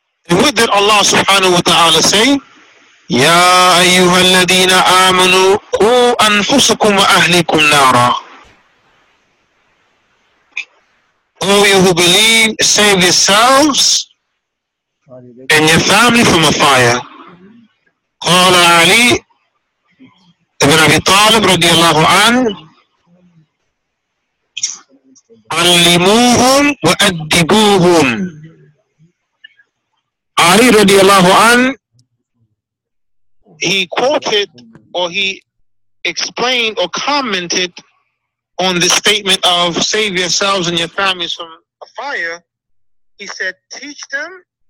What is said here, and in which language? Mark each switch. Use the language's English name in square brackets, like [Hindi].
[English] And what did Allah subhanahu wa ta'ala say? [Arabic] يَا أَيُّهَا الَّذِينَ آمَنُوا قُوا أَنفُسَكُمْ وَأَهْلِكُمْ نَارًا. [English] All you who believe, save yourselves and your family from a fire. [Arabic] قال علي ابن أبي طالب رضي الله عنه علموهم وأدبوهم. [English] علي [Arabic] رضي الله عنه, [English] he quoted or he explained or commented on the statement of save yourselves and your families from a fire. He said, teach them